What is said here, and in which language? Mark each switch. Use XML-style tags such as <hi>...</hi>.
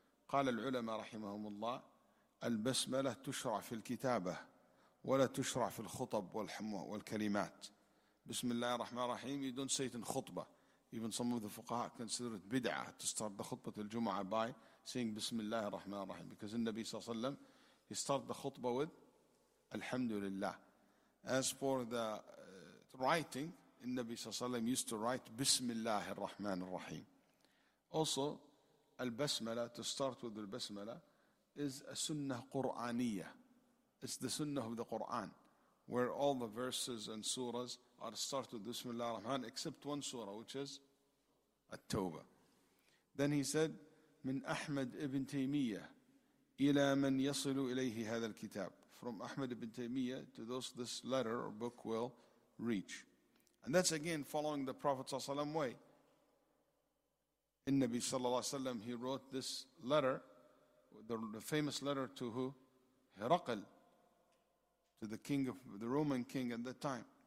<ar>قال العلماء رحمهم الله البسملة تشرع في الكتابة ولا تشرع في الخطب والكلمات.</ar> <en>Bismillah ar-Rahman ar-Rahim, you don't say it in khutbah. Even some of the fuqaha consider it bid'ah to start the khutbah till Jumu'ah by saying Bismillah ar-Rahman ar-Rahim. Because the Nabi sallallahu alayhi wa sallam, he started the khutbah with Alhamdulillah. As for the writing, Nabi Sallallahu Alaihi Wasallam used to write Bismillah ar-Rahman ar-Rahim. Also, al-basmala, to start with al-basmala, is a sunnah Qur'aniyah. It's the sunnah of the Qur'an, where all the verses and surahs are start with Bismillah ar-Rahman, except one surah, which is At-Tawbah. Then he said,</en> <ar>من أحمد ابن تيمية إلى من يصل إليه هذا الكتاب.</ar> <en>From Ahmed ibn Taymiyyah to those this letter or book will reach. And that's again following the Prophet ﷺ way. In Nabi sallallahu alayhi wa sallam, he wrote this letter, the famous letter to who? Hiraql, to the king of the Roman king at that time.</en>